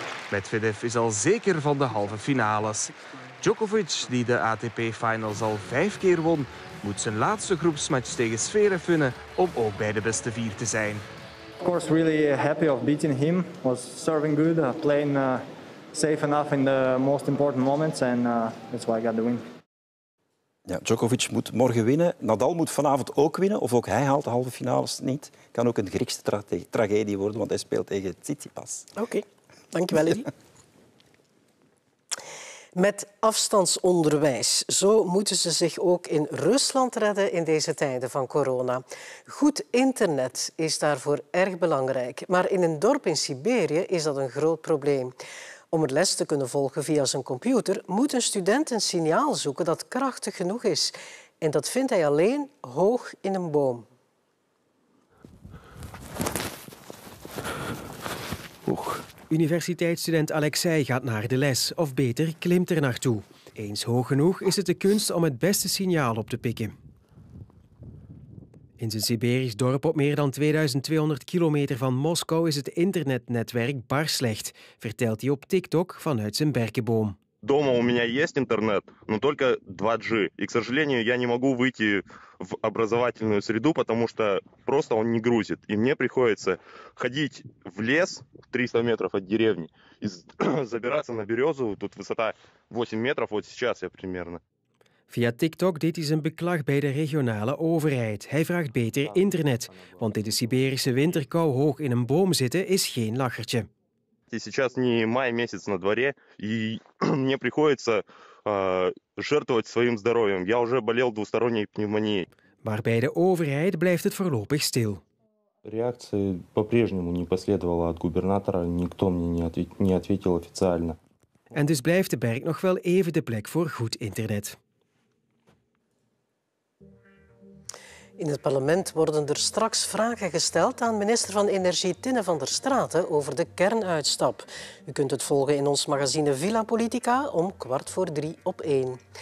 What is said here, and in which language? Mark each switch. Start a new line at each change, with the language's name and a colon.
Dutch: Medvedev is al zeker van de halve finales. Djokovic, die de ATP Finals al 5 keer won, moet zijn laatste groepsmatch tegen Zverev winnen om ook bij de beste 4 te zijn.
English: Of course, really happy of beating him. Was serving good, playing safe enough in the most important moments, and that's why I got the win.
Dutch: Ja, Djokovic moet morgen winnen. Nadal moet vanavond ook winnen. Of ook hij haalt de halve finales niet. Kan ook een Griekse tragedie worden, want hij speelt tegen Tsitsipas. Oké, dankjewel, Eddy. Met afstandsonderwijs. Zo moeten ze zich ook in Rusland redden in deze tijden van corona. Goed internet is daarvoor erg belangrijk. Maar in een dorp in Siberië is dat een groot probleem. Om het les te kunnen volgen via zijn computer, moet een student een signaal zoeken dat krachtig genoeg is. En dat vindt hij alleen hoog in een boom. Hoog. Universiteitsstudent Alexei gaat naar de les, of beter, klimt er naartoe. Eens hoog genoeg is het de kunst om het beste signaal op te pikken. In zijn Siberisch dorp op meer dan 2200 kilometer van Moskou is het internetnetwerk bar slecht, vertelt hij op TikTok vanuit zijn berkenboom.
Russian: Дома у меня есть интернет, но только 2G. И, к сожалению, я не могу выйти в образовательную среду, потому что просто он не грузит. И мне приходится ходить в лес 300 метров от деревни и забираться на березу. Тут высота 8 метров, вот сейчас я примерно.
Dutch: Via TikTok deed hij zijn beklag bij de regionale overheid. Hij vraagt beter internet, want in de Siberische winterkou hoog in een boom zitten is geen lachertje. Het is
Russian: сейчас не май месяц на дворе, и мне приходится жертвовать своим здоровьем. Я уже болел двусторонней пневмонией.
Dutch: Maar bij de overheid blijft het voorlopig stil.
Russian: Реакции по-прежнему не последовало от губернатора, никто мне не ответил официально.
Dutch: En dus blijft de berg nog wel even de plek voor goed internet. In het parlement worden er straks vragen gesteld aan minister van Energie Tinne van der Straten over de kernuitstap. U kunt het volgen in ons magazine Villa Politica om 3:15 op 1.